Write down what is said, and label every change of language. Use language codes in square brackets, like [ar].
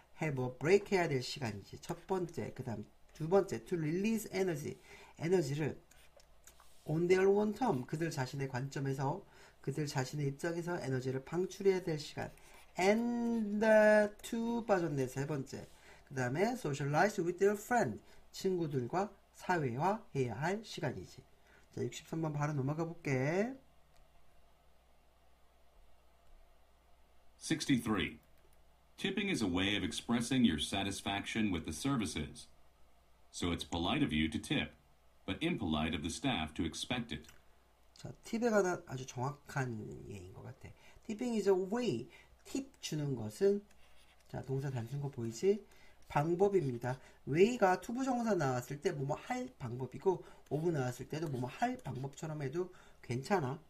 [en] Have a break [ko] 해야 될 시간이지. 첫 번째, 그 다음 두 번째, [en] to release energy. [ko] 에너지를 [en] on their own term, [ko] 그들 자신의 관점에서, 그들 자신의 입장에서 에너지를 방출해야 될 시간. [en] And to [ko] 빠졌네, 세 번째. 그 다음에 [en] socialize with their friend. [ko] 친구들과 사회화해야 할 시간이지. 자, 63번 바로 넘어가 볼게. 63. [en] Tipping is a way of expressing your satisfaction with the services. So it's polite of you to tip, but impolite of the staff to expect it. [ko] 자, 팁에 관한 아주 정확한 예인 것 같아. [en] Tipping is a way. [ko] 팁 주는 것은 자, 동사 단순 거 보이지? 방법입니다. way가 투부정사 나왔을 때 뭐뭐 할 방법이고 of 나왔을 때도 뭐뭐 할 방법처럼 해도 괜찮아.